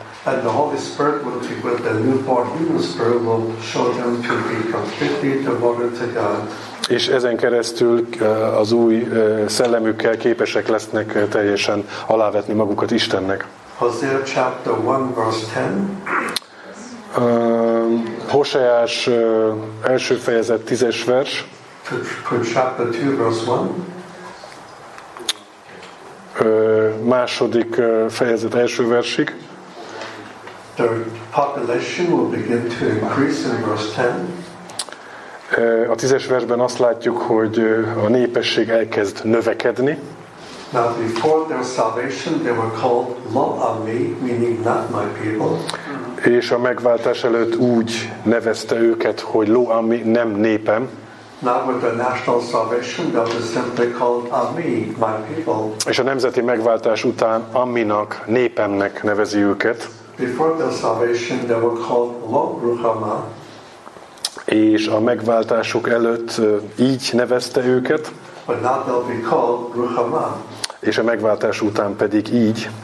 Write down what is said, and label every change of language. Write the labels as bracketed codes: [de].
[en] And the Holy Spirit will be with the newborn human spirit will show them to be completely devoted to God. [hu] És ezen keresztül az új szellemükkel képesek lesznek teljesen alávetni magukat Istennek. [en] Hosea chapter 1 verse 10. [hu] Hoseás első fejezet 10-es vers. [en] Chapter 2 verse 1. [hu] Második fejezet első versig. [en] The population will begin to increase in verse 10. [hu] A 10-es versben azt látjuk, hogy a népesség elkezd növekedni. [en] Now before their salvation they were called lo ami, meaning not my people. [hu] És a megváltás előtt úgy nevezte őket, hogy lo ami, nem népem. [en] Now with the national salvation they were simply called ami, my people. [hu] És a nemzeti megváltás után aminak, népemnek nevezi őket. [en] Before their salvation they were called lo ruhama. [hu] És a megváltásuk előtt így nevezte őket. [en] But now they'll be called ruhama. [hu] És a megváltás után pedig így.